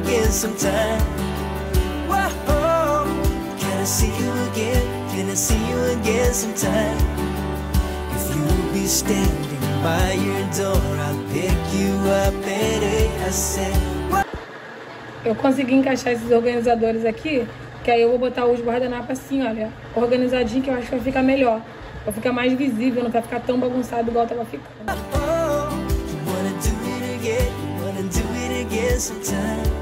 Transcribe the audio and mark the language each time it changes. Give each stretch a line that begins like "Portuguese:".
English: Sometime. Whoa, can I see you again? Can I see you again sometime? If you'll be standing by your door, I'll pick you up and I said.
Portuguese: Eu consegui encaixar esses organizadores aqui, que aí eu vou botar os guardanapos assim, olha, organizadinho, que eu acho que vai ficar melhor. Vai ficar mais visível, não vai ficar tão bagunçado igual tava ficando.
English: Oh, you wanna do it again, you wanna do it again sometime.